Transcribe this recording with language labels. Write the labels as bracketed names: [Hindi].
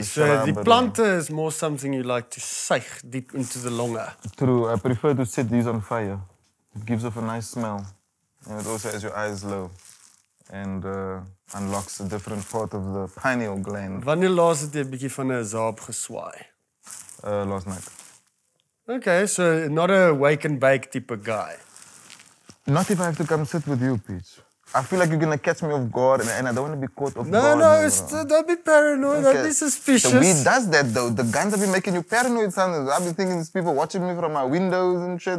[English] The planter is more something you like to suig deep into the longer. True. I prefer to set these on fire. It gives off a nice smell. And it also has your eyes low and unlocks a different part of the pineal gland. [Afrikaans] Wanneer laas het jy 'n bietjie van 'n zaab geswaai? [English] Last night. Okay, so not a wake and bake type of guy. Not if I have to come sit with you, Peach. I feel like you're gonna catch me off guard and I don't wanna be caught off guard. No, don't be paranoid, okay. Don't be suspicious. The weed does that though. The guns have been making you paranoid sometimes. I've been thinking these people watching me from my windows and shit.